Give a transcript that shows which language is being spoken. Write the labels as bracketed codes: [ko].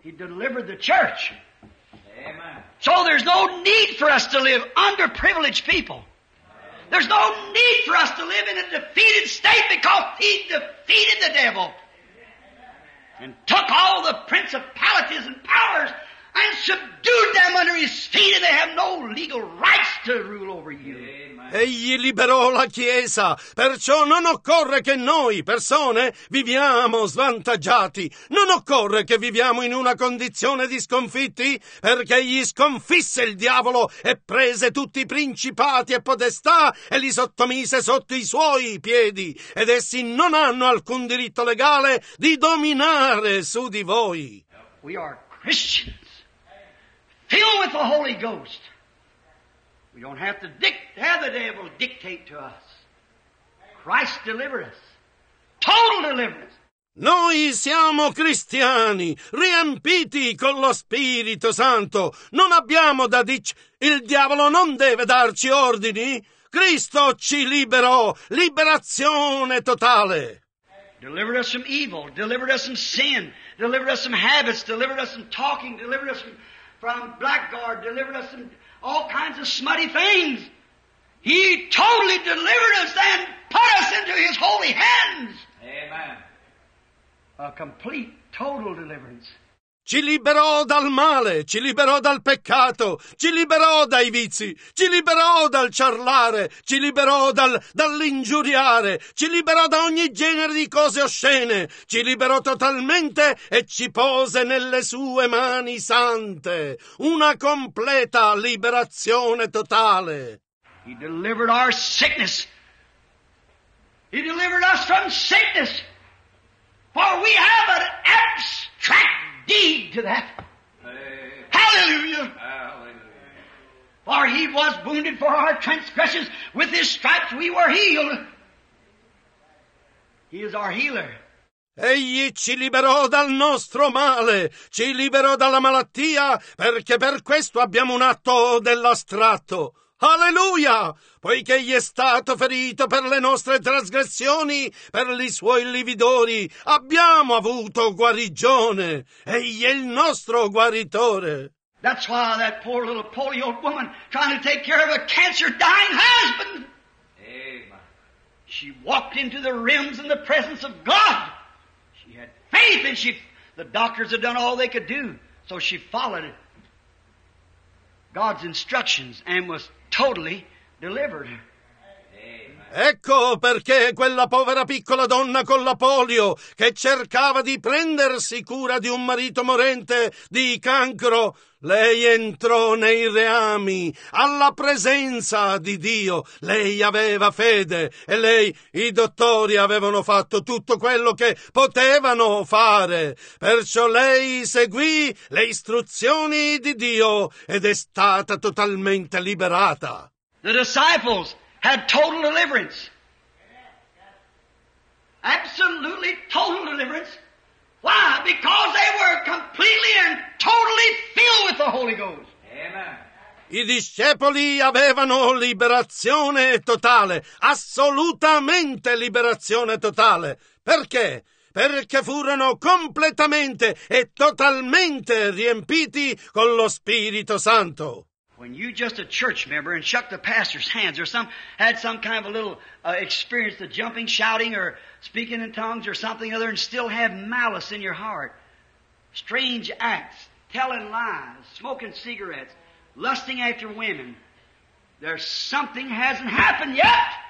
[en] He delivered the church. Amen. So there's no need for us to live underprivileged people. There's no need for us to live in a defeated state because he defeated the devil and took all the principalities and powers and subdued them under his feet, and they have no legal rights to rule over you. [it] Egli liberò la Chiesa, perciò non occorre che noi, persone, viviamo svantaggiati. Non occorre che viviamo in una condizione di sconfitti, perché egli sconfisse il diavolo e prese tutti i principati e potestà e li sottomise sotto i suoi piedi, ed essi non hanno alcun diritto legale di dominare su di voi. [en] We are Christians, filled with the Holy Ghost. We don't have to have the devil dictate to us. Christ delivered us. Total deliverance. [it] Noi siamo cristiani, riempiti con lo Spirito Santo. Non abbiamo da dire, il diavolo non deve darci ordini. Cristo ci liberò, liberazione totale. [en] Delivered us from evil, delivered us from sin, delivered us from habits, delivered us from talking, delivered us from blackguard, delivered us from all kinds of smutty things. He totally delivered us and put us into his holy hands. Amen. A complete, total deliverance. [it] Ci liberò dal male, ci liberò dal peccato, ci liberò dai vizi, ci liberò dal ciarlare, ci liberò dall'ingiuriare, ci liberò da ogni genere di cose oscene, ci liberò totalmente e ci pose nelle sue mani sante. Una completa liberazione totale. [en] He delivered our sickness. He delivered us from sickness. For we have an abstract deed to that. Amen. Hallelujah. Hallelujah. For he was wounded for our transgressions. With his stripes we were healed. He is our healer. [it] Egli ci liberò dal nostro male, ci liberò dalla malattia, perché per questo abbiamo un atto dell'astratto. Alleluia! Poiché egli è stato ferito per le nostre trasgressioni, per i suoi lividori, abbiamo avuto guarigione. Egli è il nostro guaritore. [en] That's why that poor little poly old woman trying to take care of a cancer dying husband. Amen. She walked into the rims in the presence of God. She had faith and the doctors had done all they could do. So she followed God's instructions and was totally delivered. Amen. [it] Ecco perché quella povera piccola donna con la polio, che cercava di prendersi cura di un marito morente di cancro, lei entrò nei reami, alla presenza di Dio. Lei aveva fede e lei, i dottori avevano fatto tutto quello che potevano fare. Perciò lei seguì le istruzioni di Dio ed è stata totalmente liberata. [en] The disciples had total deliverance. Absolutely total deliverance. Why? Because they were completely and totally filled with the Holy Ghost. Amen. [it] I discepoli avevano liberazione totale, assolutamente liberazione totale. Perché? Perché furono completamente e totalmente riempiti con lo Spirito Santo. [en] When you just a church member and shook the pastor's hands or some had some kind of a little experience of jumping, shouting or speaking in tongues or something other and still have malice in your heart, strange acts, telling lies, smoking cigarettes, lusting after women, there's something hasn't happened yet.